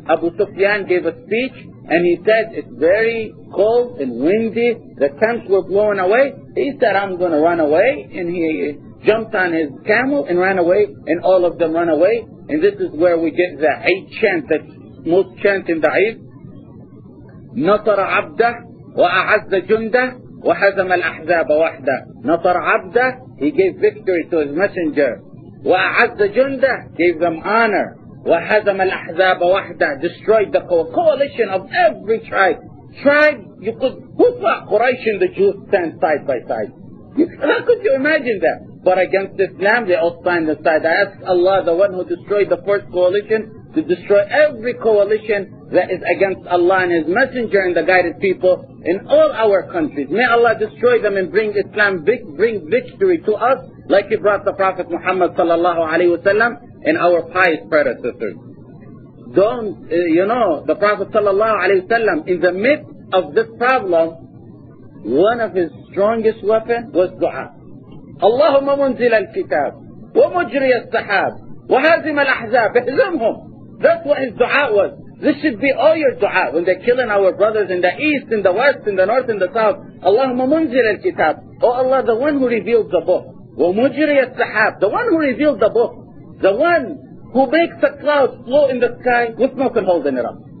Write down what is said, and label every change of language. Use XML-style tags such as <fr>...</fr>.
<en>Abu Sufyan gave a speech and he said, it's very cold and windy, the tents were blown away. He said, I'm going to run away, and he jumped on his camel and ran away, and all of them ran away. And this is where we get the Eid chant, the most chant in the Eid.</en> <ar>نَطَرَ عَبْدَهُ وَأَعَزَّ جُنْدَهُ وَحَزَمَ الْأَحْزَابَ وَحْدَهُ نَطَرَ عَبْدَهُ,</ar> <en>he gave victory to his messenger.</en> <ar>وَأَعَزَّ جُنْدَهُ,</ar> <en>gave them honor.</en> <ar>وَحَزَمَ الْأَحْزَابَ وَحْدَهُ,</ar> <en>destroyed the coalition of every tribe. Tribe, you could, who thought Quraysh and the Jews stand side by side? How could you imagine that? But against Islam, they all stand the side. I ask Allah, the one who destroyed the first coalition, to destroy every coalition that is against Allah and His Messenger and the guided people in all our countries. May Allah destroy them and bring Islam, bring victory to us, like He brought the Prophet Muhammad sallallahu alaihi wasallam and our pious predecessors. Don't, you know, the Prophet sallallahu alaihi wasallam, in the midst of this problem, one of his strongest weapons was dua.</en> <ar>اللهم منزل الكتاب ومجري السحاب وهازم الأحزاب اهزمهم.</ar> <en>That's what his dua was. This should be all your dua when they're killing our brothers in the east, in the west, in the north, in the south.</en> <ar>اللهم منزل الكتاب,</ar> <en>oh Allah, the one who revealed the book.</en> <ar>ومجري السحاب,</ar> <en>the one who revealed the book, the one who makes the clouds flow in the sky with no one holding it up.</en>